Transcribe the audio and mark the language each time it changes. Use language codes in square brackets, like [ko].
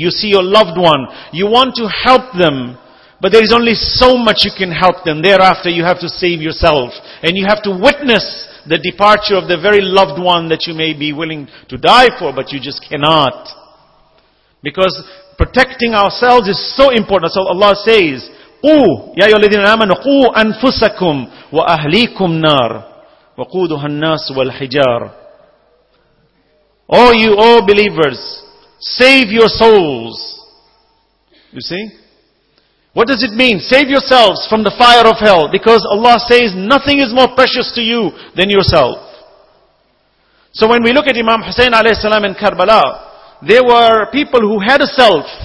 [en] You see your loved one. You want to help them, but there is only so much you can help them. Thereafter, you have to save yourself. And you have to witness the departure of the very loved one that you may be willing to die for, but you just cannot. Because protecting ourselves is so important. So Allah says, [ar] قُوْ يَا أَيُّهَا الَّذِينَ آمَنُوا قُوْ أَنفُسَكُمْ وَأَهْلِيكُمْ نَارٌ وَقُودُهَا النَّاسُ وَالْحِجَارُ. [en] O you, O believers, save your souls. You see? What does it mean? Save yourselves from the fire of hell. Because Allah says, nothing is more precious to you than yourself. So when we look at Imam Hussein alayhi salam in Karbala, they were people who had a self.